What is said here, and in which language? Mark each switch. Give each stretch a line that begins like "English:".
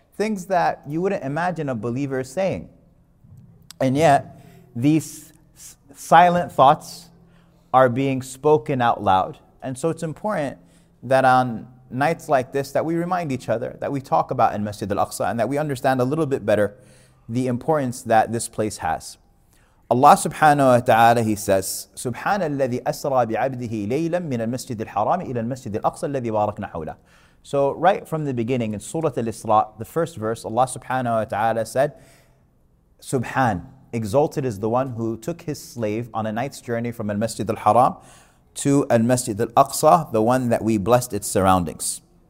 English: Things that you wouldn't imagine a believer saying. And yet, these silent thoughts are being spoken out loud. And so it's important that on nights like this that we remind each other, that we talk about in Masjid al-Aqsa, and that we understand a little bit better the importance that this place has. Allah subhanahu wa ta'ala, He says,
Arabic: سُبْحَانَ الَّذِي أَسْرَى بِعَبْدِهِ لَيْلًا مِنَ الْمَسْجِدِ الْحَرَامِ إِلَى الْمَسْجِدِ الْأَقْصَى الَّذِي بَارَكْنَا حَوْلَهُ.
English: So right from the beginning in Surah al-Isra, the first verse, Allah subhanahu wa ta'ala said, سُبْحَان, exalted is the one who took his slave on a night's journey from al-Masjid al-Haram to Al-Masjid Al-Aqsa, the one that we blessed its surroundings.